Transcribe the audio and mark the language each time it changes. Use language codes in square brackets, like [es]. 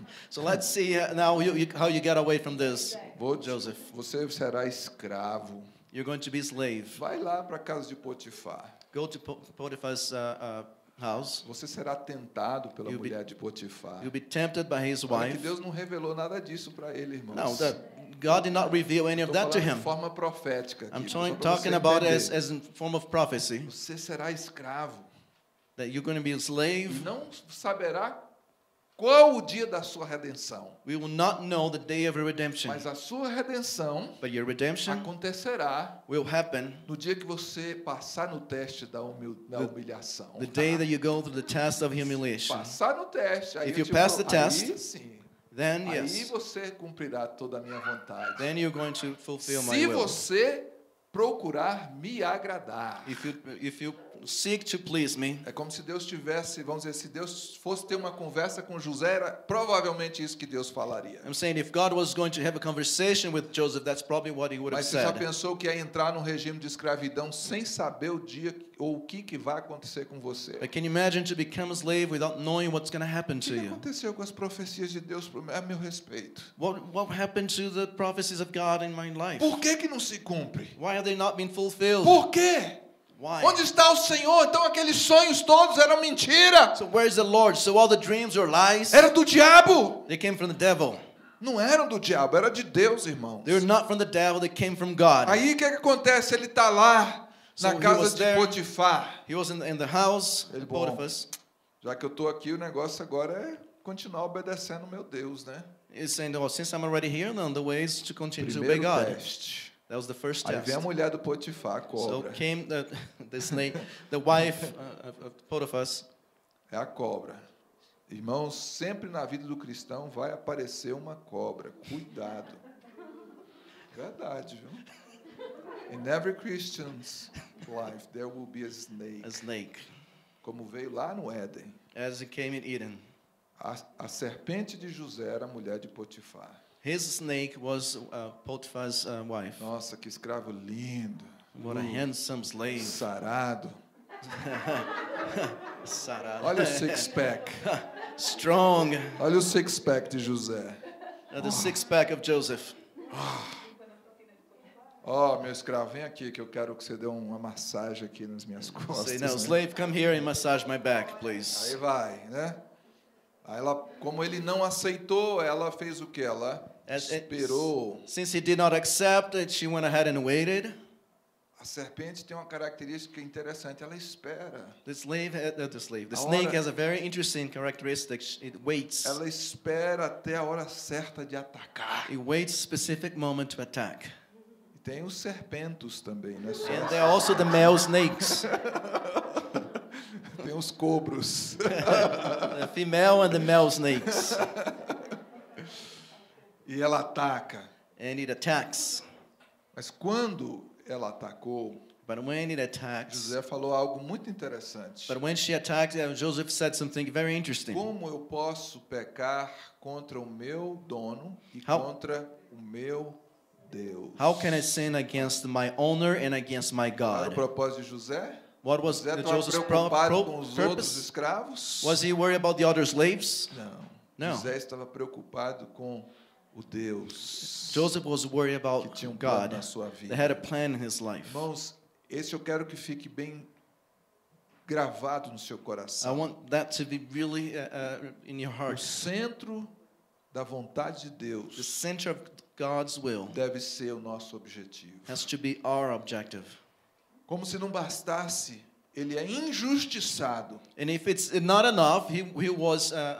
[en] So let's see now how you get away from this, Joseph. [pt] Você será escravo. [en] You're going to be slave. [pt] Vai lá para casa de Potifar. [en] Go to Potiphar's house. [pt] Você será tentado pela mulher de Potifar. [en] You'll be tempted by his wife. [pt] Que Deus não revelou nada disso para ele, irmãos. [en] No, that God did not reveal any of that to him. [pt] Forma profética aqui, [en] I'm trying, talking about it as in form of prophecy. [pt] Você será escravo. [en] That you're going to be a slave. [pt] E não saberá qual o dia da sua redenção. [en] We will not know the day of your redemption. [pt] Mas a sua redenção, [en] but your redemption [pt] acontecerá, [en] will happen [pt] no dia que você passar no teste da humilhação. [en] The day that you go through the test of humiliation. [pt] Passar no teste, aí [en] if you pass the test, [pt] aí, sim. [en] Then, [pt] aí [en] yes. [pt] Você cumprirá toda a minha vontade. [en] Then you're going to fulfill [pt] se [en] my will. [pt] Se você procurar me agradar. [en] If you seek to please me. [pt] É como se Deus tivesse, vamos dizer, se Deus fosse ter uma conversa com José, era provavelmente isso que Deus falaria. [en] I'm saying if God was going to have a conversation with Joseph, that's probably what he would [pt] mas [en] have said. [pt] Mas você já pensou que ia entrar num regime de escravidão sem saber o dia ou o que vai acontecer com você? [en] But can you imagine to become a slave without knowing what's going to happen to you? [pt] O que aconteceu com as profecias de Deus a meu respeito? [en] What happened to the prophecies of God in my life? [pt] Por que não se cumpre? [en] Why are they not being fulfilled? [pt] Por quê? [en] Why? [pt] Onde está o Senhor? Então aqueles sonhos todos eram mentira. [en] So where is the Lord? So all the dreams were lies. [pt] Era do diabo. [en] They came from the devil. [pt] Não eram do diabo, era de Deus, irmãos. [en] They're not from the devil, they came from God. [pt] Aí o que, é que acontece? Ele está lá na casa de Potifar. [en] He was in the house of Potiphar. [pt] Já que eu estou aqui, o negócio agora é continuar obedecendo ao meu Deus, né? [en] He's saying, oh, since I'm already here, then the way is to continue [pt] Primeiro [en] to obey God. [pt] Teste. [en] That was the first test. [pt] Aí vem a mulher do Potifar, cobra. So came the wife of Potiphar. É a cobra. Irmãos, sempre na vida do cristão vai aparecer uma cobra. Cuidado. Verdade, viu? [en] In every Christian's life, there will be a snake. A snake. [pt] Como veio lá no Éden. [en] As it came in Eden. [pt] A serpente de José era a mulher de Potifar. [en] His snake was Potiphar's wife. [pt] Nossa, que escravo lindo. [en] What a handsome slave. [pt] Sarado. Sarado. Olha o six pack. [en] Strong. [pt] Olha o six pack de José. [en] The six pack of Joseph. [pt] Oh, meu escravo, vem aqui que eu quero que você dê uma massagem aqui nas minhas costas. [en] Say, now, slave, come here and massage my back, please. [pt] Aí vai, né? Aí ela, como ele não aceitou, ela fez o que ela esperou. [en] Since he did not accept it, she went ahead and waited. [pt] A serpente tem uma característica interessante, ela espera. [en] The snake has a very interesting characteristic, it waits. [pt] Ela espera até a hora certa de atacar. [en] It waits a specific moment to attack. [pt] E tem os serpentos também, né? [en] And there are also the male snakes. [pt] Tem os cobros. [en] The female and the male snakes. [pt] E ela ataca. [en] And it attacks. [pt] Mas quando ela atacou, [en] but when it attacks, [pt] José falou algo muito interessante. [en] But when she attacked, Joseph said something very interesting. [pt] Como eu posso pecar contra o meu dono e contra o meu Deus? [en] How can I sin against my owner and against my God? [pt] Qual era o propósito de José? [en] What was José [pt] preocupado com os outros escravos? [en] Was he worried about the other slaves? [pt] Não. José estava preocupado com o Deus. [en] Joseph was worried about [pt] que tinha um [en] God. [pt] Plano na sua vida. [en] They had a plan in his life. [pt] Irmãos, esse eu quero que fique bem gravado no seu coração. [en] I want that to be really in your heart. [pt] O centro da vontade de Deus. [en] The center of God's will. [pt] Deve ser o nosso objetivo. [en] Has to be our objective. [pt] Como se não bastasse, ele é injustiçado. [en] And if it's not enough, he was